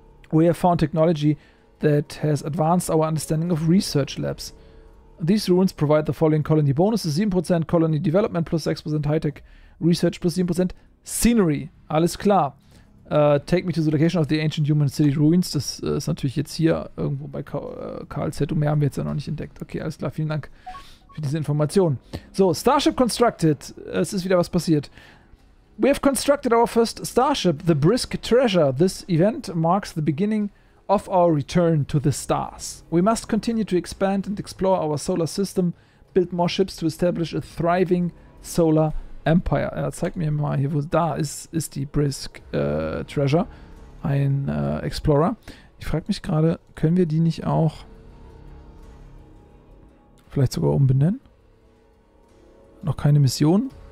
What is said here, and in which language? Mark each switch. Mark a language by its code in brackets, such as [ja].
[en] We have found technology that has advanced our understanding of research labs. These ruins provide the following colony bonuses: 7% colony development plus 6% high tech research plus 7% scenery. [de] Alles klar. [en] Take me to the location of the ancient human city ruins. [de] Das ist natürlich jetzt hier irgendwo bei KLZ und mehr haben wir jetzt ja noch nicht entdeckt. Okay, alles klar. Vielen Dank für diese Information. So, [en] Starship constructed. [de] Es ist wieder was passiert. [en] We have constructed our first starship, the Brisk Treasure. This event marks the beginning of our return to the stars. We must continue to expand and explore our solar system, build more ships to establish a thriving solar empire. [de] Zeig mir mal hier, wo da ist die Brisk Treasure, ein Explorer. Ich frage mich gerade, können wir die nicht auch vielleicht sogar umbenennen? Noch keine Mission.